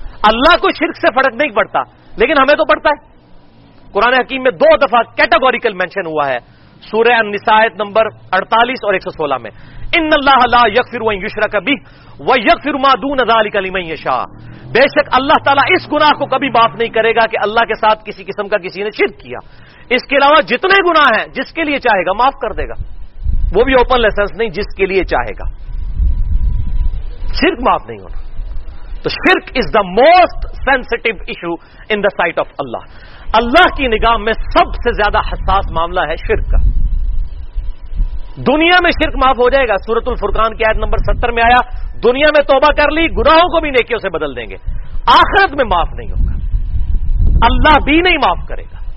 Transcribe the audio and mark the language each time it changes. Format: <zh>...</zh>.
<ur>اللہ کو شرک سے فرق نہیں پڑتا، لیکن ہمیں تو پڑتا ہے. قرآن حکیم میں دو دفعہ</ur> <en>categorical mention</en> <ur>ہوا ہے، سورہ النساء نمبر 48 اور 116 میں،</ur> <ar>ان اللہ لا یغفر ان یشرک بہ ویغفر ما دون ذلک لمن یشاء،</ar> <ur>بے شک اللہ تعالیٰ اس گناہ کو کبھی معاف نہیں کرے گا کہ اللہ کے ساتھ کسی قسم کا کسی نے شرک کیا. اس کے علاوہ جتنے گناہ ہیں جس کے لیے چاہے گا معاف کر دے گا، وہ بھی</ur> <en>open license</en> <ur>نہیں، جس کے لیے چاہے گا. شرک معاف نہیں ہونا.</ur> <en>تو شرک is the most sensitive issue in the sight of Allah.</en> <ur>اللہ کی نگاہ میں سب سے زیادہ حساس معاملہ ہے شرک کا. دنیا میں شرک معاف ہو جائے گا، سورۃ الفرقان کی آیت نمبر 70 میں آیا، دنیا میں توبہ کر لی گناہوں کو بھی نیکیوں سے بدل دیں گے، آخرت میں معاف نہیں ہوگا، اللہ بھی نہیں معاف کرے گا.</ur>